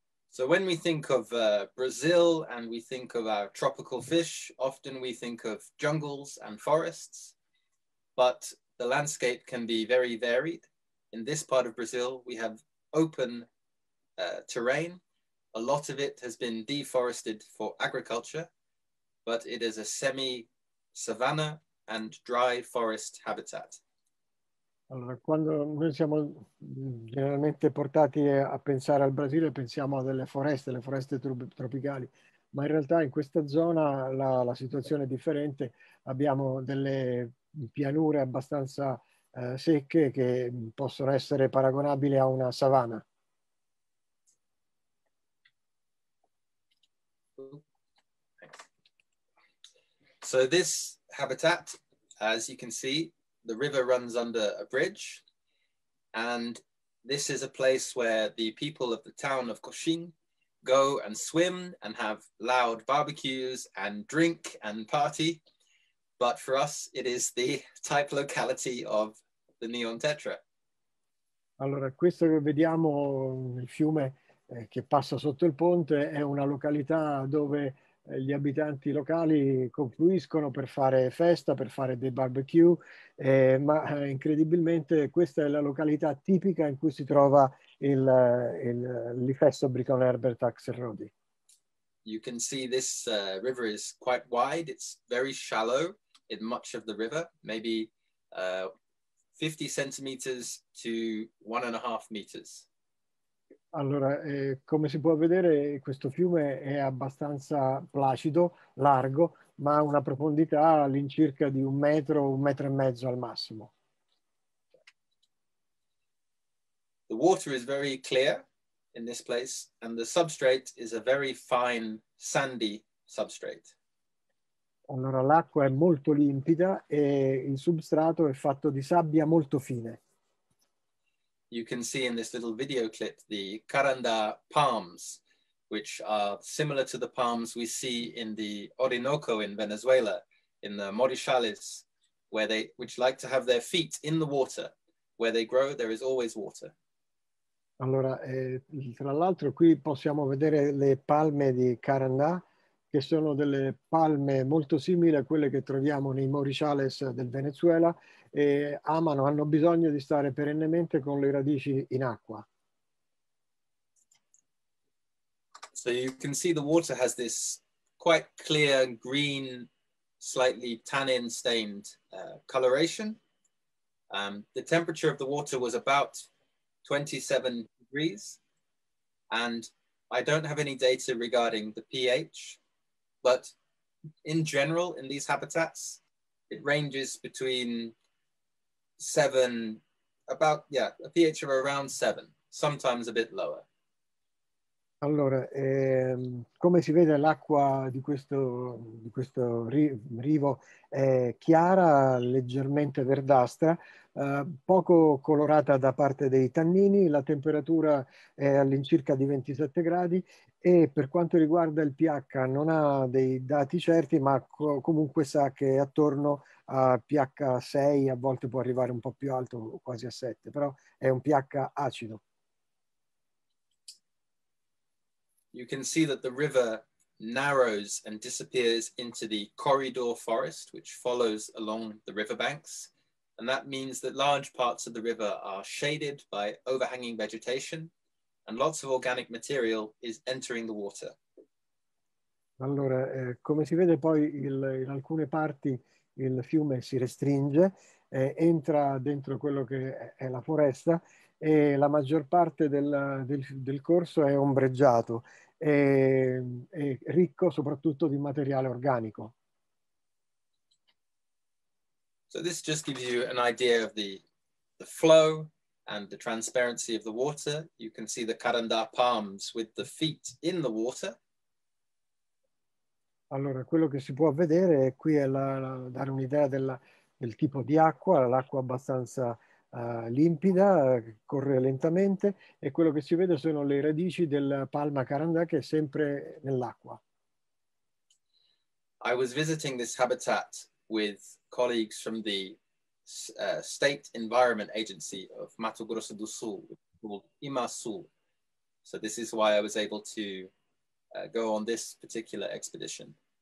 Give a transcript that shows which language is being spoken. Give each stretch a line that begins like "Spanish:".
English: So when we think of Brazil and we think of our tropical fish, often we think of jungles and forests, but the landscape can be very varied. In this part of Brazil, we have open terrain. A lot of it has been deforested for agriculture, but it is a semi-savanna and dry forest habitat.
Italian: Allora, quando noi siamo generalmente portati a pensare al Brasile, pensiamo a delle foreste, le foreste tropicali, ma in realtà in questa zona la situazione è differente. Abbiamo delle pianure abbastanza secche che possono essere paragonabili a una savana.
English: So this habitat, as you can see, the river runs under a bridge, and this is a place where the people of the town of Coxim go and swim and have loud barbecues and drink and party. but for us it is the type locality of the neon tetra.
Italian: Allora, questo che vediamo, il fiume che passa sotto il ponte, è una località dove gli abitanti locali confluiscono per fare festa, per fare dei barbecue, ma incredibilmente questa è la località tipica in cui si trova l'ifesto bricolare herbertaxelrodi.
English: You can see this river is quite wide, it's very shallow in much of the river, maybe 50 centimeters to 1.5 meters.
Italian: Allora, come si può vedere, questo fiume è abbastanza placido, largo, ma ha una profondità all'incirca di un metro e mezzo al massimo.
English: The water is very clear in this place, and the substrate is a very fine sandy substrate.
Italian: Allora, l'acqua è molto limpida e il substrato è fatto di sabbia molto fine.
English: You can see in this little video clip the caranda palms, which are similar to the palms we see in the Orinoco in Venezuela, in the Morichales, which like to have their feet in the water. Where they grow, there is always water.
Italian: Allora, tra l'altro qui possiamo vedere le palme di caranda, che sono delle palme molto simili a quelle che troviamo nei Morichales del Venezuela, e hanno bisogno di stare perennemente con le radici in acqua.
English: So you can see the water has this quite clear green, slightly tannin stained coloration. The temperature of the water was about 27 degrees, and I don't have any data regarding the pH. But in general, in these habitats, it ranges between a pH of around 7, sometimes a bit lower.
Italian: Allora, come si vede, l'acqua di questo rivo è chiara, leggermente verdastra, poco colorata da parte dei tannini, la temperatura è all'incirca di 27 gradi e per quanto riguarda il pH non ha dei dati certi, ma comunque sa che attorno a pH 6 a volte può arrivare un po' più alto, quasi a 7, però è un pH acido.
English: You can see that the river narrows and disappears into the corridor forest, which follows along the riverbanks. And that means that large parts of the river are shaded by overhanging vegetation, and lots of organic material is entering the water.
Italian: Allora, come si vede poi, in alcune parti il fiume si restringe, entra dentro quello che è la foresta, e la maggior parte del corso è ombreggiato. È ricco soprattutto di materiale organico.
English: So this just gives you an idea of the flow and the transparency of the water. You can see the caranda palms with the feet in the water.
Italian: Allora, quello che si può vedere qui è dare un'idea del tipo di acqua, l'acqua abbastanza limpida, corre lentamente, e quello che si vede sono le radici del palma caranda che è sempre nell'acqua.
English: I was visiting this habitat with colleagues from the State Environment Agency of Mato Grosso do Sul, called IMASUL. So this is why I was able to go on this particular expedition.